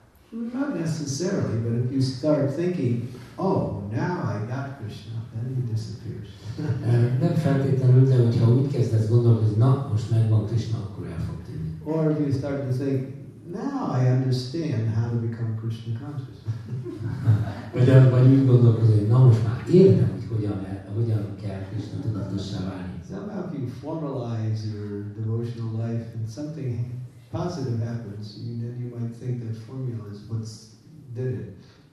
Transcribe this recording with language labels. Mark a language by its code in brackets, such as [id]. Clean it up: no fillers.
[en] Not necessarily, but if you start thinking, oh, now I got Krishna, then he disappears. [hu] Nem feltétlenül, de hogyha úgy kezdesz gondolkozni, na, most megvan Krishna, akkor el fog tűnni. [en] Or if you start to think, now I understand how to become Krishna conscious. [hu] Vagy úgy gondolkozni, hogy na, most már értem, hogy hogyan kell Krishna tudatossá válni. [en] Somehow if you formalize your devotional life and something positive happens, then you might think that formula is what's did it.